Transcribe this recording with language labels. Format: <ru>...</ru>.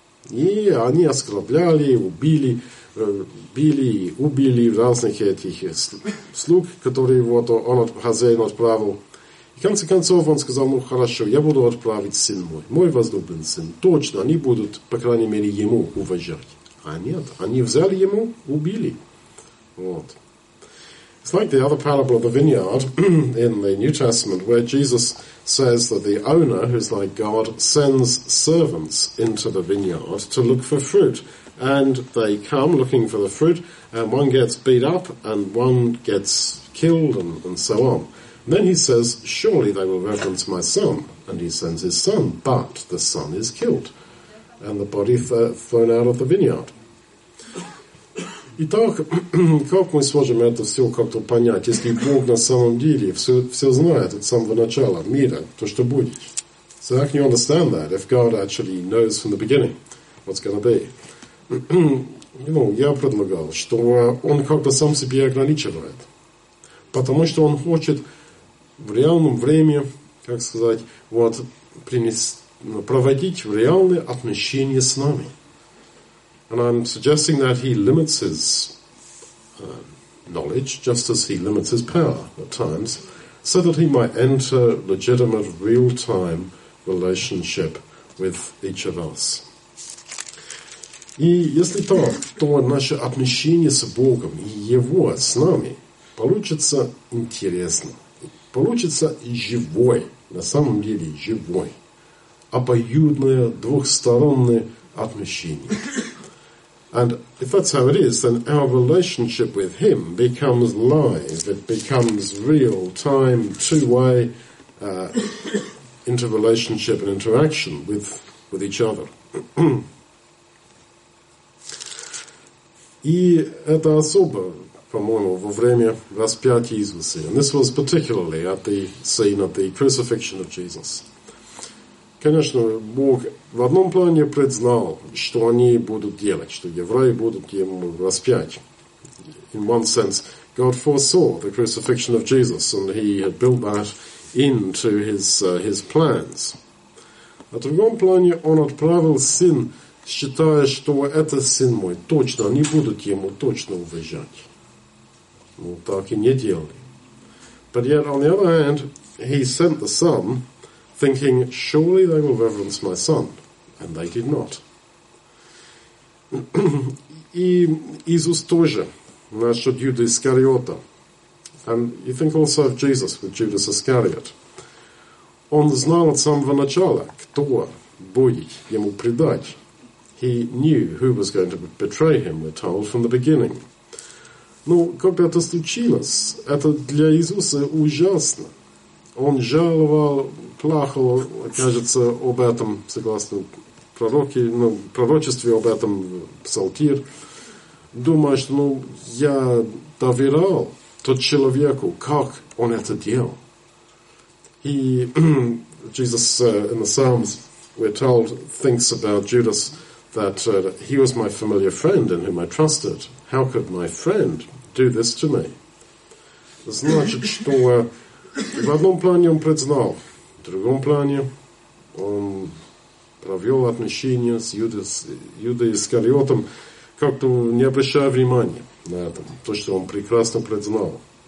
<ru>И они оскорбляли, убили, били и убили разных этих слуг, которые он хозяин отправил. И в конце концов он сказал, ну хорошо, я буду отправить сын мой, мой возлюбленный сын. Точно, они будут, по крайней мере, ему уважать. А нет, они взяли ему, убили. Вот.</ru> <en>It's like the other parable of the vineyard in the New Testament, where Jesus says that the owner, who's like God, sends servants into the vineyard to look for fruit. And they come looking for the fruit, and one gets beat up, and one gets killed, and so on. Then he says, surely they will reverence my son, and he sends his son, but the son is killed, and the body thrown out of the vineyard.</en> <ru>Итак, как мы сможем это все как-то понять, если Бог на самом деле все знает от самого начала мира, то что будет?</ru> <en>So how can you understand that, if God actually knows from the beginning what's going to be? You know,</en> <ru>я предлагал, что он как-то сам себя ограничивает, потому что он хочет в реальном времени, как сказать, проводить реальные отношения с нами.</ru> <en>And I'm suggesting that he limits his knowledge, just as he limits his power at times, so that he might enter legitimate, real-time relationship with each of us.</en> <ru>И если так, то наше отношение с Богом и Его с нами получится интересно. Получится живой, на самом деле живой, обоюдное, двухстороннее отношение.</ru> <en>And if that's how it is, then our relationship with him becomes live, it becomes real time, two-way interrelationship and interaction with each other.</en> <ru>И это особо, по-моему, во время распятия Иисуса.</ru> <en>And this was particularly at the scene of the crucifixion of Jesus.</en> <ru>Конечно, Бог в одном плане предзнал, что они будут делать, что евреи будут ему распять.</ru> <en>In one sense, God foresaw the crucifixion of Jesus, and he had built that into his plans.</en> <ru>А в другом плане он отправил сын, считая, что это сын мой, точно, они будут ему точно уважать. Ну, так и не делали.</ru> <en>But yet, on the other hand, he sent the son, thinking, surely they will reverence my son. And they did not.</en> <ru>И Иисус тоже насчет Юды Искариота.</ru> <en>And you think also of Jesus with Judas Iscariot.</en> <ru>Он знал от самого начала, кто будет ему предать.</ru> <en>He knew who was going to betray him, we're told, from the beginning.</en> <ru>Но когда это случилось, это для Иисуса ужасно. Он жаловал, плакал, кажется, об этом, согласно пророчеству об этом в Псалтире. Думая, что я доверял тот человеку, как он это делал.</ru> <en>He, Jesus, in the Psalms, we're told, thinks about Judas, that he was my familiar friend in whom I trusted. How could my friend do this to me?</en> <ru>Значит, что... В одном плане он признал, в другом плане он провел отношения с Юдой Искариотом, как-то не обращая внимания на это, то, что он прекрасно признал.</ru>